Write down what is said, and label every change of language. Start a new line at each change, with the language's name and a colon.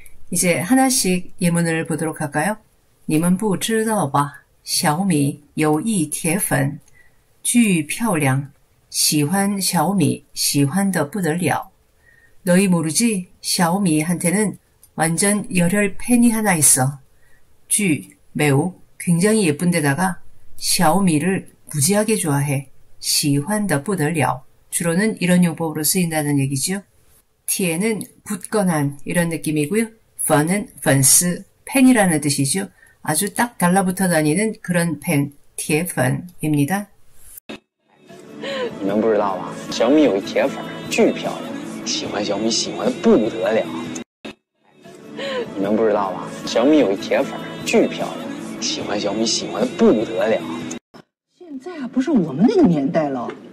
Korean: 이제 하나씩 예문을 보도록 할까요?
Chinese: 你们不知道吧？小米有一铁粉，巨漂亮，喜欢小米，喜欢的不得了。
Korean: 너희 모르지? 小米한테는 완전 열혈 팬이 하나 있어. 쥐, 매우, 굉장히 예쁜데다가 小米를 무지하게 좋아해.
Chinese: 喜欢的不得了.
Korean: 주로는 이런 용법으로 쓰인다는 얘기죠. 티에는 굳건한 이런 느낌이고요. 펀은 粉丝, 팬이라는 뜻이죠. 아주 딱 달라붙어 다니는 그런 팬, 티에펀입니다.
Chinese: 你们不知道吧？小米有一铁粉，巨漂亮，喜欢小米喜欢的不得了。你们不知道吧？小米有一铁粉，巨漂亮，喜欢小米喜欢的不得了。现在啊，不是我们那个年代了。